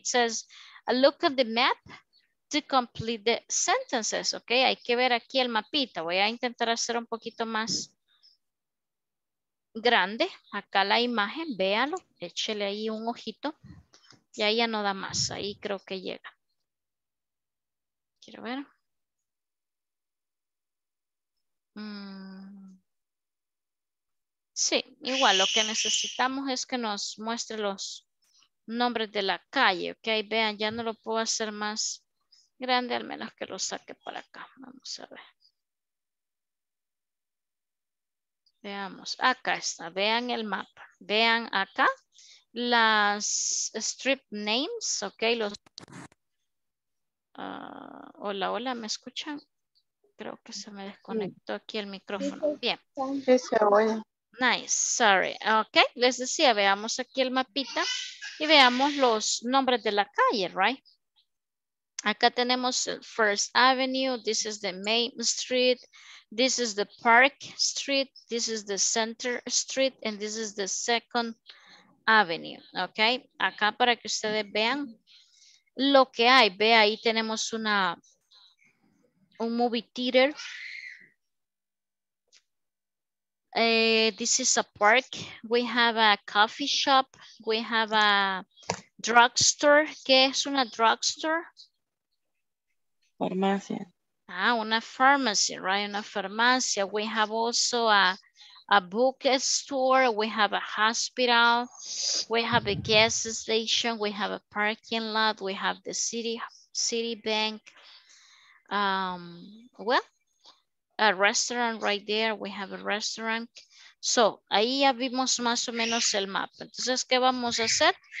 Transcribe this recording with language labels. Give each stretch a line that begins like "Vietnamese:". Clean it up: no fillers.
English: It says, look at the map to complete the sentences, okay?
Spanish: Hay que ver aquí el mapita. Voy a intentar hacer un poquito más grande. Acá la imagen, véalo, échele ahí un ojito. Y ahí ya no da más, ahí creo que llega. Quiero ver. Sí, igual lo que necesitamos es que nos muestre los nombres de la calle, ok, vean, ya no lo puedo hacer más grande, al menos que lo saque para acá, vamos a ver. Veamos, acá está, vean el mapa, vean acá las strip names, ok, los... hola, hola, ¿me escuchan? Creo que se me desconectó aquí el micrófono. Bien.
English: Nice, sorry.
Spanish: Ok, les decía, veamos aquí el mapita y veamos los nombres de la calle, right? Acá tenemos
English: First Avenue, this is the Main Street, this is the Park Street, this is the Center Street, and this is the Second Avenue, ok?
Spanish: Acá para que ustedes vean lo que hay. Ve, ahí tenemos una... un movie theater.
English: This is a park. We have a coffee shop. We have a drugstore.
Spanish: ¿Qué es una drugstore? Farmacia. Ah, una pharmacy, right? Una farmacia.
English: We have also a bookstore. We have a hospital. We have a gas station. We have a parking lot. We have the city bank. Well, a restaurant right there, we have a restaurant.
Spanish: So, ahí ya vimos más o menos el mapa. Entonces, ¿qué vamos a hacer?